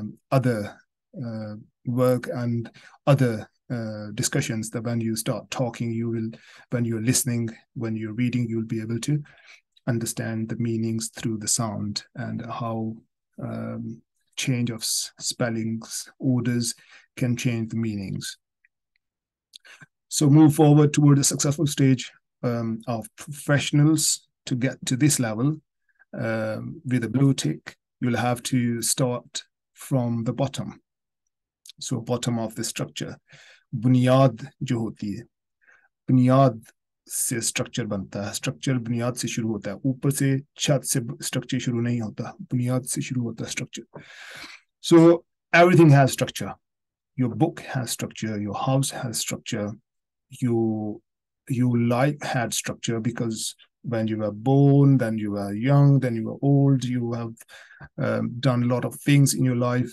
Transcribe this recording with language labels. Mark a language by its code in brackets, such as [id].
[en] other work and other discussions, that when you start talking, you will, when you're listening, when you're reading, you'll be able to understand the meanings through the sound and how change of spellings, orders can change the meanings. So move forward toward a successful stage of professionals. To get to this level with a blue tick, you'll have to start from the bottom. So bottom of the structure. [ur] بنیاد جو ہوتی ہے۔ بنیاد سے structure بنتا ہے۔ Structure بنیاد سے شروع ہوتا ہے۔ اوپر سے چھت سے سٹرکچر شروع نہیں ہوتا۔ بنیاد سے شروع ہوتا ہے structure. [en] So everything has structure. Your book has structure. Your house has structure. Your your life had structure, because when you were born, then you were young, then you were old, you have done a lot of things in your life.